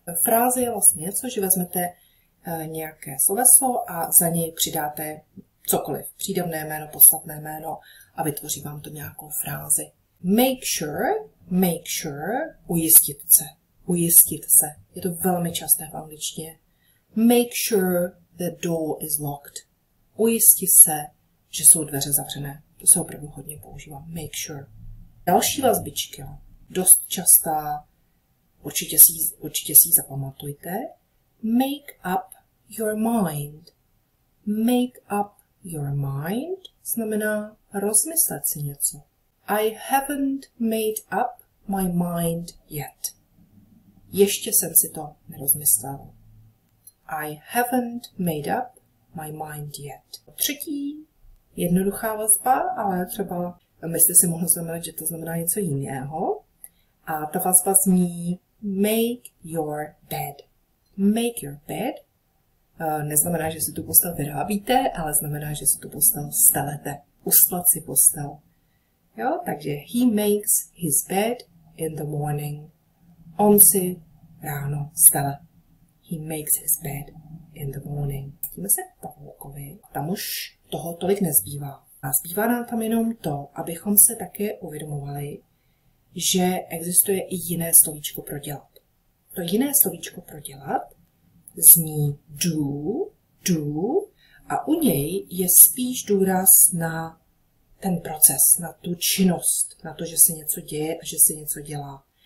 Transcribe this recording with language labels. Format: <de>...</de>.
<cs>Fráze je vlastně něco, že vezmete nějaké sloveso a za něj přidáte cokoliv. Přídavné jméno, podstatné jméno a vytvoří vám to nějakou frázi.</cs> <en>Make sure,</en> <cs>ujistit se. Je to velmi časté v angličtině.</cs> <en>Make sure the door is locked.</en> <cs>Ujisti se, že jsou dveře zavřené. To se opravdu hodně používá.</cs> <en>Make sure.</en> <cs>Další vazbička, dost častá, určitě si ji zapamatujte.</cs> <en>Make up your mind. Make up your mind</en> <cs>znamená rozmyslet si něco.</cs> <en>I haven't made up my mind yet.</en> <cs>Ještě jsem si to nerozmyslel.</cs> <en>I haven't made up my mind yet.</en> <cs>Třetí jednoduchá vazba, ale třeba byste si mohli znamenat, že to znamená něco jiného. A ta vazba zní</cs> <en>make your bed. Make your bed.</en> <cs>Neznamená, že si tu postel vyrábíte, ale znamená, že si tu postel stelete. Ustlat si postel. Jo, takže</cs> <en>he makes his bed in the morning.</en> <cs>On si ráno stele.</cs> <en>He makes his bed in the morning.</en> <cs>Díme se k pavoukovi. Tam už toho tolik nezbývá. A zbývá nám tam jenom to, abychom se také uvědomovali, že existuje i jiné slovíčko pro dělat. To jiné slovíčko pro dělat zní do, do, a u něj je spíš důraz na ten proces, na tu činnost, na to, že se něco děje a že se něco dělá.</cs>